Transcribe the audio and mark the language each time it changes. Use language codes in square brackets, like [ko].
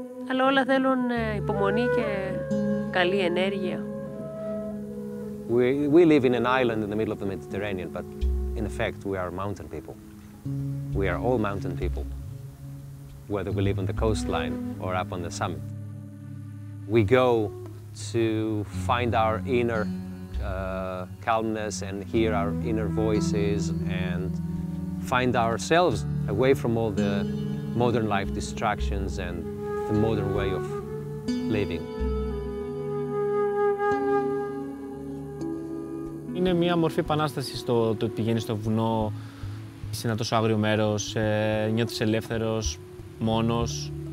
[el] Αλλά όλα θέλουν υπομονή και καλή ενέργεια. [en] We live in an island in the middle of the Mediterranean, but in effect we are mountain people. We are all mountain people, whether we live on the coastline or up on the summit. We go to find our inner calmness and hear our inner voices and find ourselves away from all the modern life distractions and the modern way of living. [el] Είναι μια μορφή επανάσταση το ότι πηγαίνεις στο βουνό, είσαι ένα τόσο άγριο μέρος, νιώθεις ελεύθερος, μόνος.